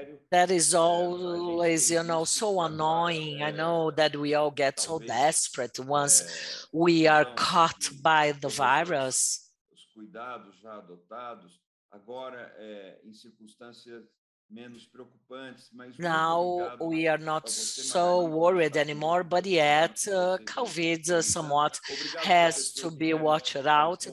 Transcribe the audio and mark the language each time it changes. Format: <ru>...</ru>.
<en>That is always, you know, so annoying. I know that we all get so desperate once we are caught by the virus.</en> <pt>Cuidados já adotados, agora em circunstâncias menos preocupantes, mas</pt> <en>now we are not so worried anymore, but yet COVID somewhat has to be watched out.</en>